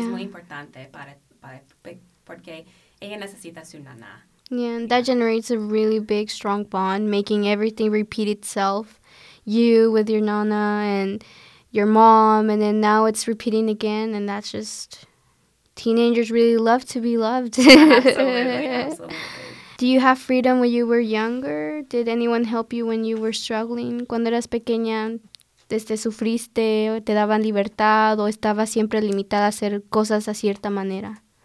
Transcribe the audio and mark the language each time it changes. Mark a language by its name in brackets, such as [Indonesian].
[Spanish] Es muy importante porque ella necesita su nana. [English] Yeah, and that generates a really big, strong bond, making everything repeat itself. You with your nana and your mom, and then now it's repeating again, and that's just... Teenagers really love to be loved. Absolutely. Do you have freedom when you were younger? Did anyone help you when you were struggling? [Spanish] Cuando eras pequeña, ¿sufriste? ¿Te daban libertad? ¿O estabas siempre limitada a hacer cosas a cierta manera?